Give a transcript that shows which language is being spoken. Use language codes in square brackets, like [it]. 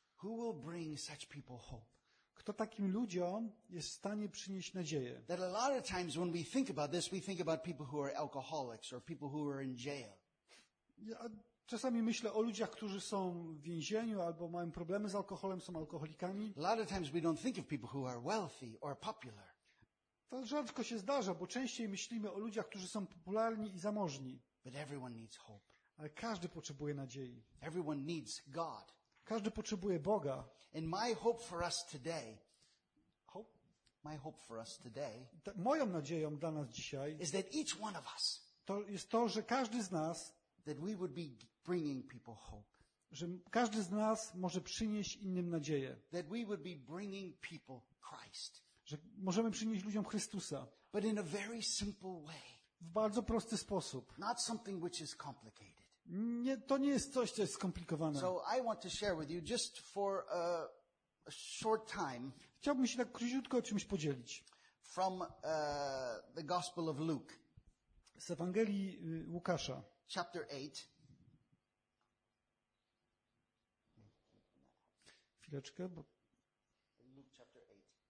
[en] Who will bring such people hope? [pl] Kto takim ludziom jest w stanie przynieść nadzieję? [en] That a lot of times when we think about this, we think about people who are alcoholics or people who are in jail. [pl] Ja czasami myślę o ludziach, którzy są w więzieniu albo mają problemy z alkoholem, są alkoholikami. [en] A lot of times we don't think of people who are wealthy or popular. [pl] To rzadko się zdarza, bo częściej myślimy o ludziach, którzy są popularni i zamożni. [en] But everyone needs hope. [pl] Ale każdy potrzebuje nadziei. [en] Everyone needs God. [pl] Każdy potrzebuje Boga. [en] And my hope for us today, hope, my hope for us today, [pl] moją nadzieją dla nas dzisiaj, [en] is that each one of us, [pl] to jest to, że każdy z nas, [en] that we would be bringing people hope, [pl] że każdy z nas może przynieść innym nadzieję, [en] that we would be bringing people Christ, [pl] że możemy przynieść ludziom Chrystusa, [en] but in a very simple way, [pl] w bardzo prosty sposób, [en] not something which is complicated. [pl] Nie, to nie jest coś, co jest skomplikowane. [en] So I want to share with you just for a short time. [pl] Chciałbym się tak króciutko o czymś podzielić. [en] From the Gospel of Luke. [pl] Z Ewangelii Łukasza. [en] Chapter 8. [pl] Chwileczkę, bo [en] Luke chapter 8.